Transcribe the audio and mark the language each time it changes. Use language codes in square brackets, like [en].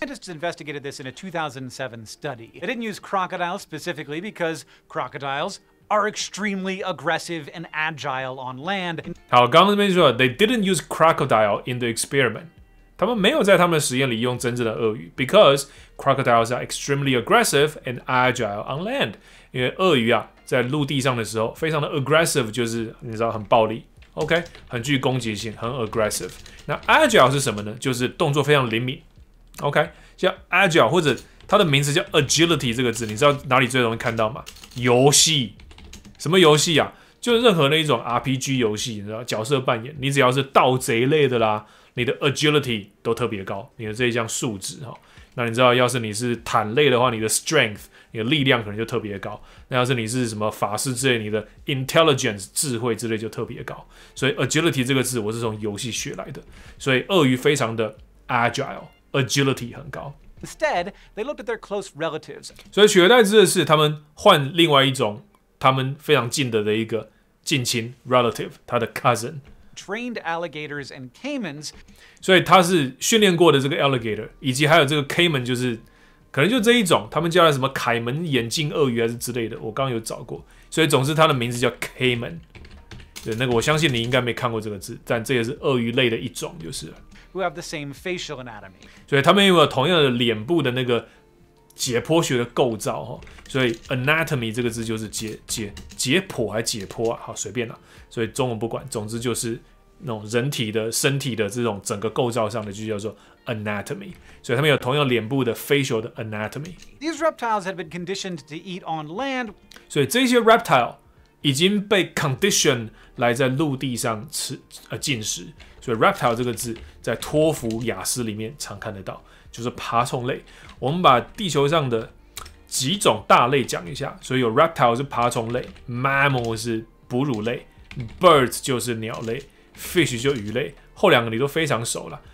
[en] Scientists investigated this in a 2007 study. They didn't use crocodiles specifically because crocodiles. Are extremely aggressive and agile on land. [zh] 好，刚刚那边说 [en] ，they didn't use crocodile in the experiment. [zh] 他们没有在他们的实验里用真正的鳄鱼 ， [en] because crocodiles are extremely aggressive and agile on land. [zh] 因为鳄鱼啊，在陆地上的时候，非常的 aggressive， 就是你知道很暴力 ，OK， 很具攻击性，很 aggressive。那 agile 是什么呢？就是动作非常灵敏 ，OK， 像 agile 或者它的名字叫 agility 这个字，你知道哪里最容易看到吗？游戏。什么游戏啊？就任何那一种 RPG 游戏，你知道角色扮演，你只要是盗贼类的啦，你的 agility 都特别高，你的这一项数值哈。那你知道，要是你是坦类的话，你的 strength， 你的力量可能就特别高。那要是你是什么法师之类，你的 intelligence 智慧之类就特别高。所以 agility 这个字我是从游戏学来的。所以鳄鱼非常的 agile， agility 很高。 [en] Instead, they looked at their close relatives. [zh] 所以取而代之的是，他们换另外一种。他们非常近的一个近亲 relative， 他的 cousin。 [en] Trained alligators and caimans， [zh] 所以他是训练过的这个 alligator， 以及还有这个 caiman， 就是可能就这一种，他们叫什么凯门眼镜鳄鱼还是之类的，我刚刚有找过。所以总之，他的名字叫 caiman。对，那个我相信你应该没看过这个字，但这也是鳄鱼类的一种，就是。 [en] Who have the same facial anatomy？ [zh] 所以他们有没有同样的脸部的那个？解剖学的构造，所以 anatomy 这个字就是 解剖还解剖啊，好随便啦，所以中文不管，总之就是那种人体的身体的这种整个构造上的就叫做 anatomy， 所以他们有同样脸部的 facial 的 anatomy。 [en] These reptiles had been conditioned to eat on land， [zh] 所以这些 reptile 已经被 condition 来在陆地上吃进食，所以 reptile 这个字在托福雅思里面常看得到。就是爬虫类，我们把地球上的几种大类讲一下，所以有 reptile 是爬虫类 ，mammal 是哺乳类 ，birds 就是鸟类 ，fish 就鱼类，后两个你都非常熟了。